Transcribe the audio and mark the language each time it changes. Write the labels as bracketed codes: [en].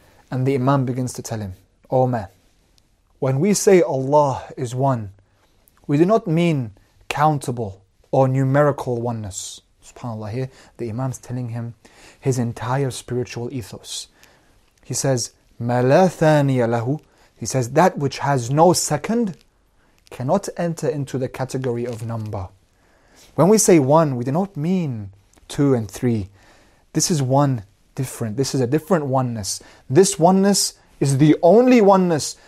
[en] And the Imam begins to tell him, oh man, when we say Allah is one, we do not mean countable or numerical oneness. SubhanAllah, here the Imam's telling him his entire spiritual ethos. He says, [ar] مَا لَا ثَانِيَ لَهُ. [en] He says, that which has no second cannot enter into the category of number. When we say one, we do not mean two and three. This is one different. This is a different oneness. This oneness is the only oneness.